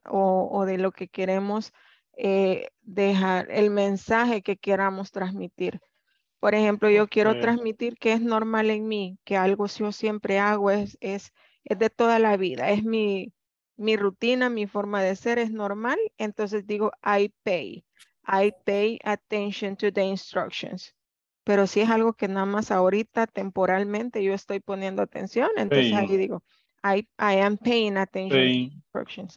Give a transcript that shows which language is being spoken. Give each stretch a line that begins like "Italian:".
Spanish: O de lo que queremos dejar, el mensaje que queramos transmitir. Por ejemplo, yo quiero transmitir que es normal en mí, que algo yo siempre hago es de toda la vida. Es mi rutina, mi forma de ser es normal. Entonces digo,
English: I pay attention to the instructions.
Spanish: Pero si es algo que nada más ahorita, temporalmente, yo estoy poniendo atención, entonces ahí digo,
English: I am paying attention to instructions.